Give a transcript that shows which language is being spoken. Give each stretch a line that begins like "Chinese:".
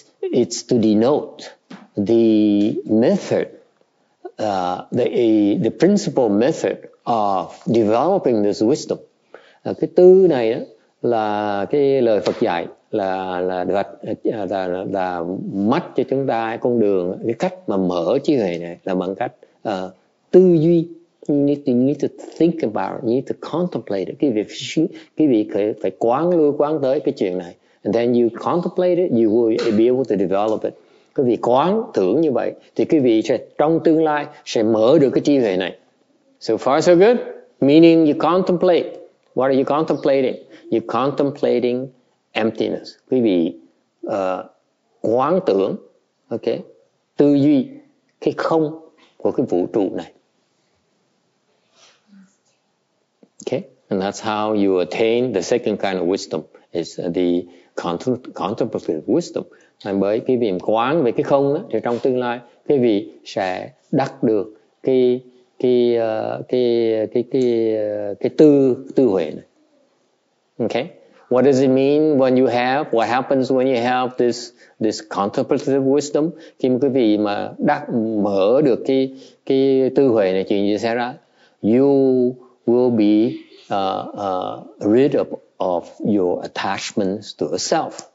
English: It's to denote the method, the principal method of developing this wisdom.
Vietnamese: Cái tư này đó là cái lời Phật dạy là mắt cho chúng ta con đường, cái cách mà mở trí huệ này là bằng cách tư duy.
English: You need to think about it, you need to contemplate it.
Vietnamese: Cái vị phải quán lưu quán tới cái chuyện này.
English: And then you contemplate it, you will be able to develop it.
Vietnamese: Cái vị quán tưởng như vậy thì cái vị sẽ trong tương lai sẽ mở được cái trí huệ này.
English: So far so good. Meaning you contemplate. What are you contemplating? You're contemplating emptiness.
Vietnamese: Quý vị quán tưởng, okay, tư duy cái không của cái vũ trụ này.
English: Okay, and that's how you attain the second kind of wisdom, is the contemplative wisdom.
Vietnamese: And bởi cái vị quán về cái không đó, thì trong tương lai quý vị sẽ đắc được cái tư huệ này.
English: Okay, what does it mean when you have, what happens when you have this contemplative wisdom?
Vietnamese: Khi quý vị mà đắc mở được cái tư huệ này, chuyện gì sẽ ra?
English: You will be rid of your attachments to yourself.